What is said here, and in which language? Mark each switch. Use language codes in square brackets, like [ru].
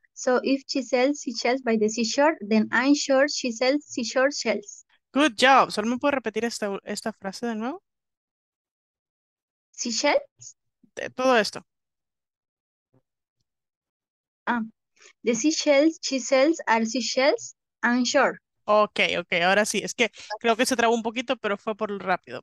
[en] So if she sells seashells by the seashore, then I'm sure she sells seashore shells. Good job. [es] ¿Solo me puedo repetir esta frase de nuevo? [en] Seashells? [es] De todo esto. [en] The seashells she sells are seashells, I'm sure. [es] Okay, okay. Ahora sí. Es que creo que se trabó un poquito, pero fue por lo rápido.